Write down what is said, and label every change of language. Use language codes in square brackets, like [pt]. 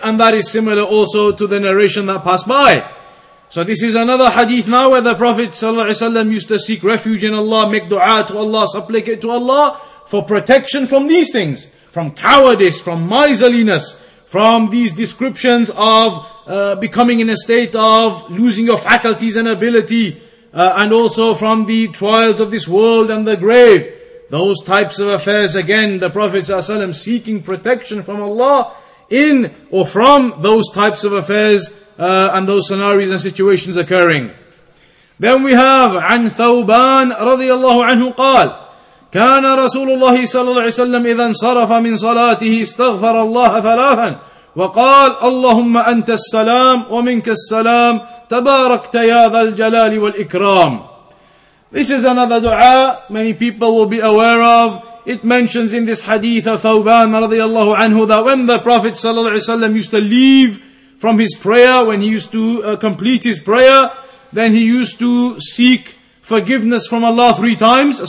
[en] And that is similar also to the narration that passed by. So this is another hadith now where the Prophet ﷺ used to seek refuge in Allah, make dua to Allah, supplicate to Allah for protection from these things, from cowardice, from miserliness, from these descriptions of becoming in a state of losing your faculties and ability, and also from the trials of this world and the grave. Those types of affairs, again, the Prophet ﷺ seeking protection from Allah in or from those types of affairs and those scenarios and situations occurring. Then we have, [ar] عن ثوبان رضي الله عنه قال, كان رسول الله صلى الله عليه وسلم إذا انصرف من صلاته استغفر الله ثلاثا وقال اللهم أنت السلام ومنك السلام تباركت يا ذا الجلال والإكرام. [en] This is another dua many people will be aware of. It mentions in this hadith of ثوبان رضي الله عنه that when the Prophet صلى الله عليه وسلم used to leave from his prayer, when he used to complete his prayer, then he used to seek forgiveness from Allah three times.